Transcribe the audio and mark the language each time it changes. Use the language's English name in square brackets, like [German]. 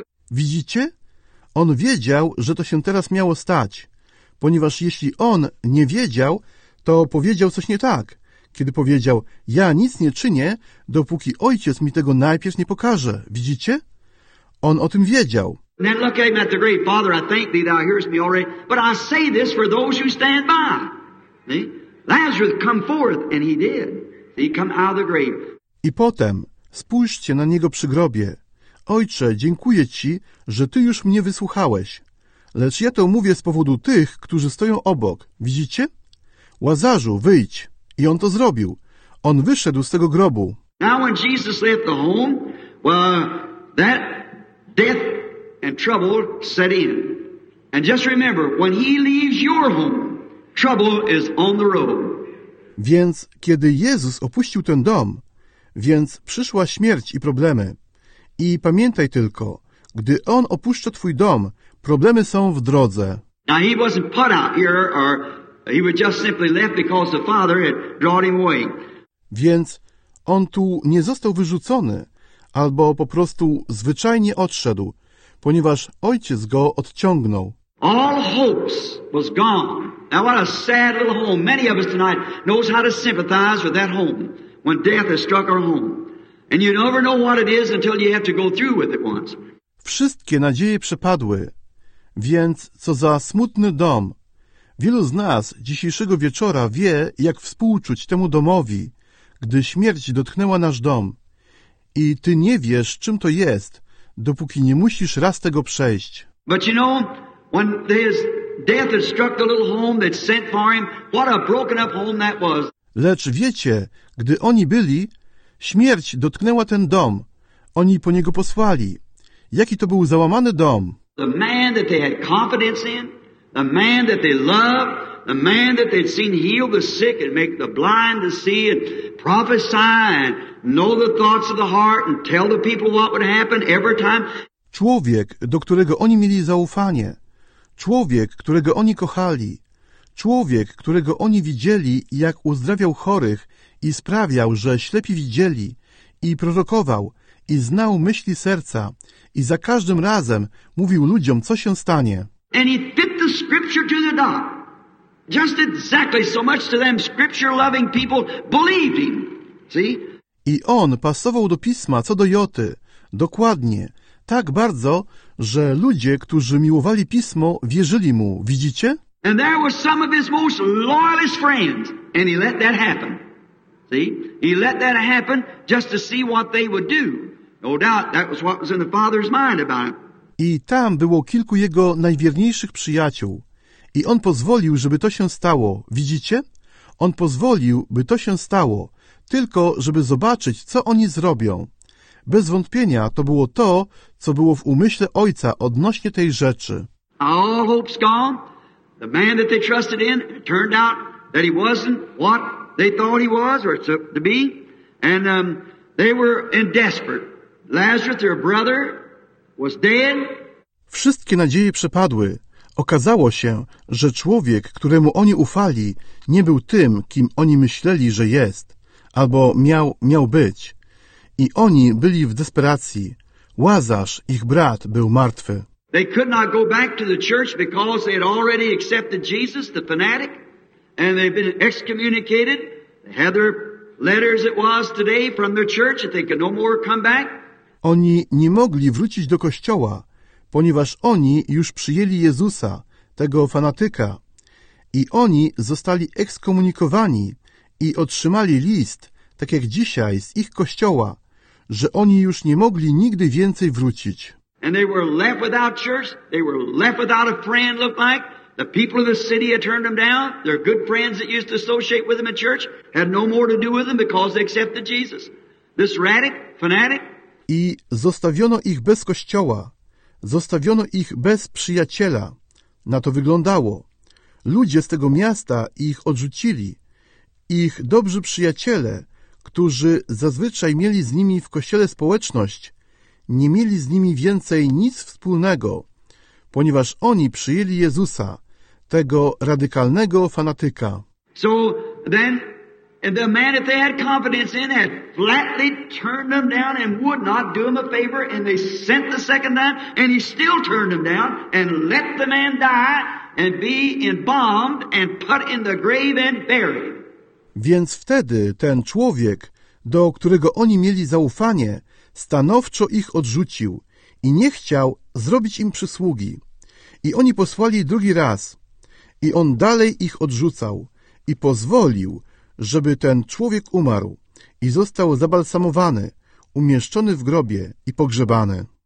[Polish] Widzicie? On wiedział, że to się teraz miało stać. Ponieważ jeśli on nie wiedział, to powiedział coś nie tak. Kiedy powiedział, ja nic nie czynię, dopóki ojciec mi tego najpierw nie pokaże. Widzicie? On o tym wiedział. [English] And then look at him at the grave, Father, I thank thee, thou hearest me already, but I say this for those who stand by. See? Lazarus, come forth, and he did. He come out of the grave. [Polish] I potem, spójrzcie na niego przy grobie. Ojcze, dziękuję ci, że ty już mnie wysłuchałeś. Lecz ja to mówię z powodu tych, którzy stoją obok. Widzicie? Łazarzu, wyjdź. I on to zrobił. On wyszedł z tego grobu. [English] Now when Jesus left the home, well, that death and trouble set in. And just remember, when he leaves your home, trouble is on the road. [Polish] Więc kiedy Jezus opuścił ten dom, więc przyszła śmierć i problemy. I pamiętaj tylko, gdy on opuszcza twój dom, problemy są w drodze. [English] Now he wasn't put out here, or he was just simply left because the Father had drawn him away. [Polish] Więc on tu nie został wyrzucony, albo po prostu zwyczajnie odszedł, ponieważ ojciec go odciągnął. [English] All hopes was gone. Now what a sad little home. Many of us tonight knows how to sympathize with that home when death has struck our home. And you never know what it is until you have to go through with it once. [Polish] Wszystkie nadzieje przepadły. Więc co za smutny dom. Wielu z nas dzisiejszego wieczora wie, jak współczuć temu domowi, gdy śmierć dotknęła nasz dom i ty nie wiesz, czym to jest, dopóki nie musisz raz tego przejść. [English] But you know, when his death has struck the little home that's sent for him, what a broken up home that was. [Polish] Lecz wiecie, gdy oni byli, śmierć dotknęła ten dom. Oni po niego posłali. Jaki to był załamany dom. [English] The man that they had confidence in, the man that they loved, the man that they'd seen heal the sick and make the blind to see and prophesy and know the thoughts of the heart and tell the people what would happen every time. [Polish] Człowiek, do którego oni mieli zaufanie. Człowiek, którego oni kochali. Człowiek, którego oni widzieli, jak uzdrawiał chorych i sprawiał, że ślepi widzieli, i prorokował, i znał myśli serca, i za każdym razem mówił ludziom, co się stanie. [English] And he fit the scripture to the dot. Just exactly so much to them scripture-loving people believed him. See? [Polish] I on pasował do pisma co do joty, dokładnie, tak bardzo, że ludzie, którzy miłowali pismo, wierzyli mu, widzicie? [English] And there were some of his most loyalist friends, and he let that happen. See? He let that happen just to see what they would do. No doubt that was what was in the father's mind about it. [Polish] I tam było kilku jego najwierniejszych przyjaciół. I on pozwolił, żeby to się stało. Widzicie? On pozwolił, by to się stało, tylko żeby zobaczyć, co oni zrobią. Bez wątpienia to było to, co było w umyśle ojca odnośnie tej rzeczy. [English] All hope's gone. The man that they trusted in, it turned out that he wasn't what they thought he was or to be. And they were in desperate. Lazarus, their brother, was dead. [Polish] Wszystkie nadzieje przepadły. Okazało się, że człowiek, któremu oni ufali, nie był tym, kim oni myśleli, że jest, albo miał być. I oni byli w desperacji. Łazarz, ich brat, był martwy. [English] They could not go back to the church because they had already accepted Jesus, the fanatic, and they'd been excommunicated. They had their letters, it was today, from their church, that they could no more come back. [Polish] Oni nie mogli wrócić do kościoła, ponieważ oni już przyjęli Jezusa, tego fanatyka, i oni zostali ekskomunikowani i otrzymali list, tak jak dzisiaj, z ich kościoła, że oni już nie mogli nigdy więcej wrócić. [English] And they were left without church, they were left without a friend, looked like. The people of the city had turned them down. Their good friends that used to associate with them at church had no more to do with them because they accepted Jesus. This radic, fanatic. [Polish] I zostawiono ich bez kościoła. Zostawiono ich bez przyjaciela. Na to wyglądało. Ludzie z tego miasta ich odrzucili. Ich dobrzy przyjaciele, którzy zazwyczaj mieli z nimi w kościele społeczność, nie mieli z nimi więcej nic wspólnego, ponieważ oni przyjęli Jezusa, tego radykalnego fanatyka. [English] So then the man that they had confidence in had flatly turned them down and would not do them a favor, and they sent the second time, and he still turned them down and let the man die and be embalmed and put in the grave and buried. [Polish] Więc wtedy ten człowiek, do którego oni mieli zaufanie, stanowczo ich odrzucił i nie chciał zrobić im przysługi. I oni posłali drugi raz, i on dalej ich odrzucał i pozwolił, żeby ten człowiek umarł i został zabalsamowany, umieszczony w grobie i pogrzebany.